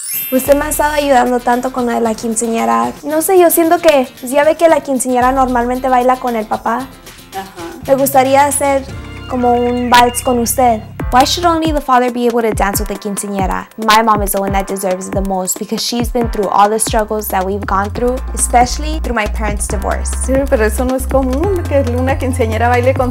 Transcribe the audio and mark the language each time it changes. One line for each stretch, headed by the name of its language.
Spanish: Usted me ha estado ayudando tanto con la de la quinceañera. No sé, yo siento que ya ve que la quinceañera normalmente baila con el papá. Me gustaría hacer como un vals con usted.
English: Why should only the father be able to dance with the quinceañera? My mom is the one that deserves it the most because she's been through all the struggles that we've gone through, especially through my parents' divorce.
Spanish: Sí, pero eso no es común, que una quinceañera baile con